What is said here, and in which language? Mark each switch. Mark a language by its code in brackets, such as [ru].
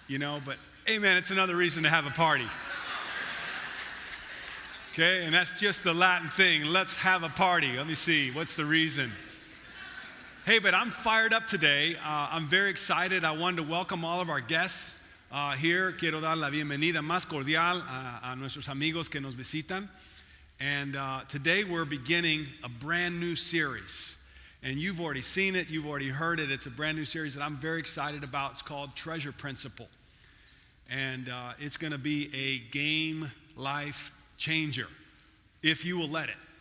[en] you know, but hey, amen, it's another reason to have a party. Okay, and that's just the Latin thing. Let's have a party. Let me see, what's the reason? Hey, but I'm fired up today. I'm very excited. I wanted to welcome all of our guests here. [es] Quiero dar la bienvenida más cordial a nuestros amigos que nos visitan. [en] And today we're beginning a brand new series. And you've already seen it. You've already heard it. It's a brand new series that I'm very excited about. It's called Treasure Principle. And it's going to be a game life changer, if you will let it.